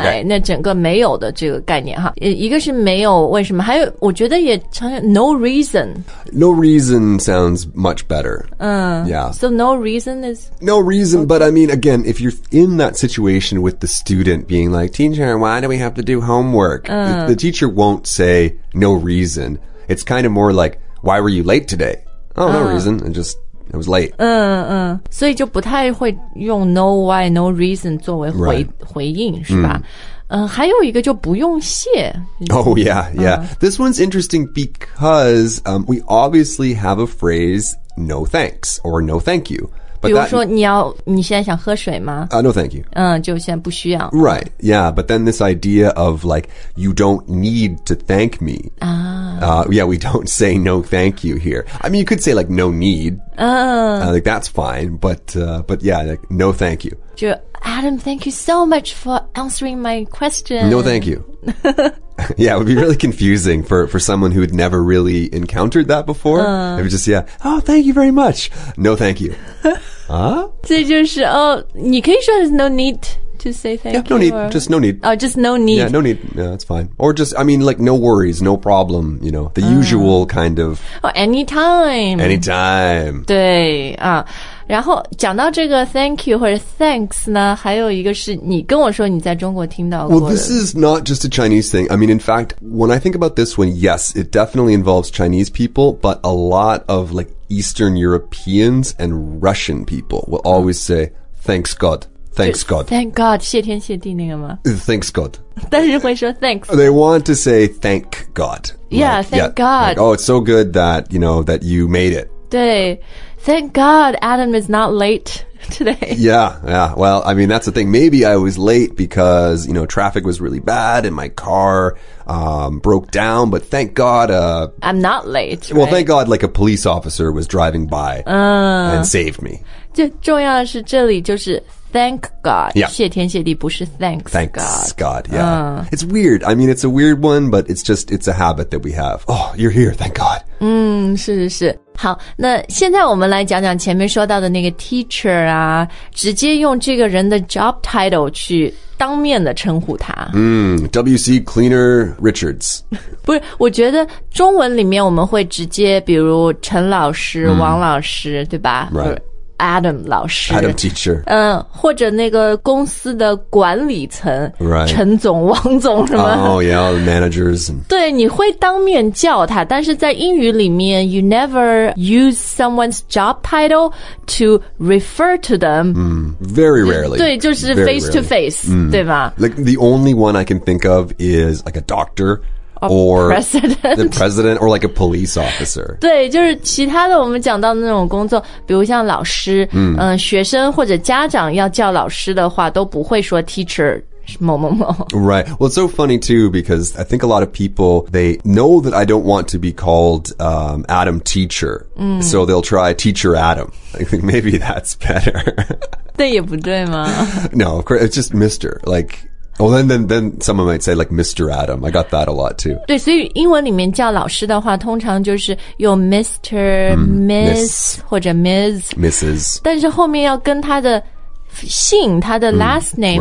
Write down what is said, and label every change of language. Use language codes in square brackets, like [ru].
[en] okay. [zh] 那整个没有的这个概念哈一个是没有为什么还有我觉得也常常 [en] no reason no reason sounds much better、嗯、 yeah so no reason is no reason、okay. but I mean again if you're in that situation with the student being like teacher why do we have to do homework、嗯、 the teacher won't say no reason it's kind of more like why were you late today oh no、嗯、 reason and justIt was late. [zh] 嗯嗯，所以就不太会用 [en] no why, no reason [zh] 作为回、 [en] right. [zh] 回应，是吧？嗯、还有一个就不用谢。 [en] Oh yeah, yeah.、This one's interesting because we obviously have a phrase no thanks or no thank you. [zh] But 比如说你现在想喝水吗？ [en] 啊、no thank you. [zh] 嗯，就现在不需要。 [en] Right, yeah. But then this idea of like you don't need to thank me. 啊。 Yeah, we don't say no thank you here. I mean, you could say like no need. Like that's fine. But yeah, like no thank you. Adam, thank you so much for answering my question. No thank you. yeah, it would be really confusing for someone who had never really encountered that before. It would just, yeah, oh, thank you very much. No thank you. So 就是 oh, 你可以说 there's no need. To say thank yeah, you. No need. Just no need. Oh, just no need. Yeah, no need. Yeah, that's fine. Or just, I mean, like, no worries, no problem, you know, the usual kind of. Oh, anytime. Anytime. [zh] 对啊。然后讲到这个 thank you 或者 thanks 呢还有一个是你跟我说你在中国听到过的。 [en] Well, this is not just a Chinese thing. I mean, in fact, when I think about this one, yes, it definitely involves Chinese people, but a lot of, like, Eastern Europeans and Russian people will always say, thanks God. Thanks God. Thank God. [zh] 谢天谢地那个吗? [en] Thanks God. [zh] 但是会说 thanks. [en] They want to say thank God. Yeah, like, thank God. Like, oh, it's so good that, you know, that you made it. 对 Thank God Adam is not late today. Yeah, yeah. Well, I mean, that's the thing. Maybe I was late because, you know, traffic was really bad and my car, broke down. But thank God, I'm not late. Well, right? thank God, like a police officer was driving by and saved me. [zh] 就重要的是这里就是Thank God. [en] Yeah. [zh] 谢天谢地不是 thanks, [en] thanks God. Thanks God, yeah.、It's weird. I mean, it's a weird one, but it's just, it's a habit that we have. Oh, you're here, thank God. [zh] 嗯，是是是。好，那现在我们来讲讲前面说到的那个 teacher 啊，直接用这个人的 job title 去当面的称呼他。 [en] 嗯、WC Cleaner Richards. [zh] 不是，我觉得中文里面我们会直接比如陈老师、王老师，对吧 [en] ?Right. [zh] Adam 老师 [en] Adam teacher [zh] 嗯，或者那个公司的管理层、 [en] right. [zh] 陈总王总是吗 [en] Oh yeah all the managers and... [zh] 对你会当面叫他但是在英语里面 [en] You never use someone's job title to refer to them、 mm, Very rarely [zh] 对就是 [en] face to face、 [zh] mm. 对吗 [en] Like the only one I can think of is like a doctorOr president. The president or like a police officer. [zh] 对就是其他的我们讲到的那种工作比如像老师、 [en] mm. [zh] 学生或者家长要叫老师的话都不会说 teacher 某某某。 [en] Right. Well, it's so funny too because I think a lot of people, they know that I don't want to be called、Adam teacher.、 Mm. So they'll try teacher Adam. I think maybe that's better. [zh] 对也不对吗 [en] No, of course, it's just Mr. Like,Well, then someone might say, like, Mr. Adam. I got that a lot, too. [zh] 对所以英文里面叫老师的话通常就是有 Mr., Miss, 或者 Ms. [en] Mrs. [zh] 但是后面要跟他的姓他的 last name,、